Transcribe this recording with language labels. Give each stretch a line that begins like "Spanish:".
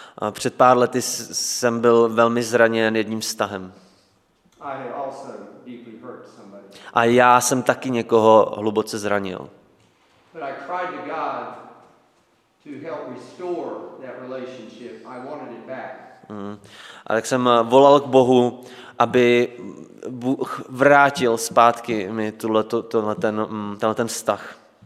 Czech: Před pár lety jsem byl velmi zraněn jedním vztahem.
English: I had also deeply hurt somebody.
Czech: A já jsem taky někoho hluboce zranil.
English: But I cried to God to help restore that relationship. I wanted it back.
Czech: A tak jsem volal k Bohu, aby Bůh vrátil zpátky mi tenhle vztah.